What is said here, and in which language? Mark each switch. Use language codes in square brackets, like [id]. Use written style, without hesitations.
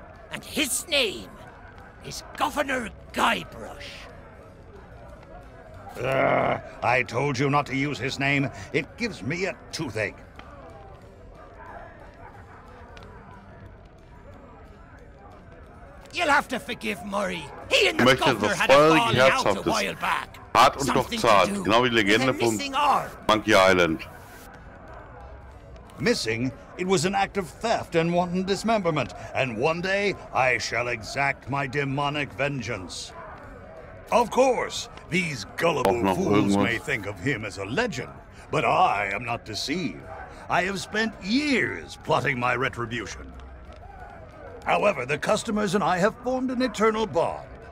[en] And his name is Governor Guybrush. I told you not to use his name. It gives me a toothache. You'll have to forgive Murray. He and the Governor had a falling out a while back. [de] Hart und doch zart, genau wie Legende von Monkey Island. [en] Missing? It was an act of theft and wanton dismemberment, and one day I shall exact my demonic vengeance. Of course, these gullible fools may think of him as a legend, but I am not deceived. I have spent years plotting my retribution. However, the customers and I have formed an eternal bond.